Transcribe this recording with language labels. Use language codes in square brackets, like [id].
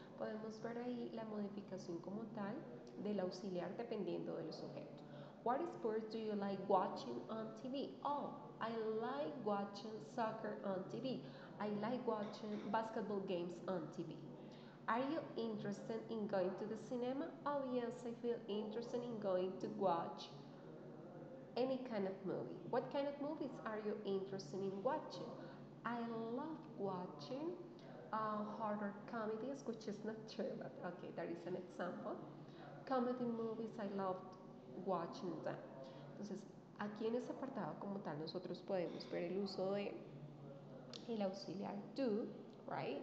[es] Podemos ver ahí la modificación como tal del auxiliar dependiendo del sujeto. [en] What sports do you like watching on TV? Oh, I like watching soccer on TV. I like watching basketball games on TV. Are you interested in going to the cinema? Oh, yes, I feel interested in going to watch any kind of movie. What kind of movies are you interested in watching? I love watching horror comedies, which is not true, but okay, there is an example. Comedy movies, I loved watching them. [es] Entonces, aquí en este apartado como tal, nosotros podemos ver el uso de el auxiliar do, right?